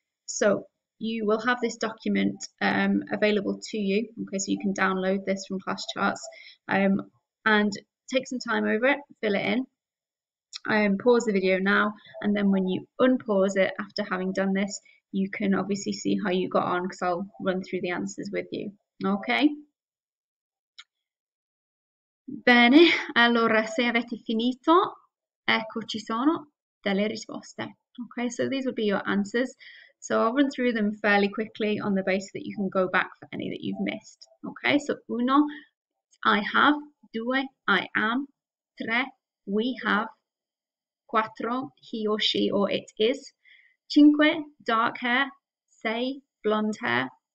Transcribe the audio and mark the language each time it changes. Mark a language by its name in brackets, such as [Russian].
[English] So you will have this document available to you, okay, so you can download this from Class Charts, and take some time over it, fill it in, pause the video now, and then when you unpause it after having done this, you can obviously see how you got on, because I'll run through the answers with you. Okay. [Italian] Bene, allora se avete finito, ecco ci sono delle risposte. [English] Okay, so these will be your answers. So I'll run through them fairly quickly on the basis that you can go back for any that you've missed. Okay, so uno, I have. Due, I am. Tre, we have. Quattro, he or she or it is. Cinque, dark hair. Sei, blonde hair.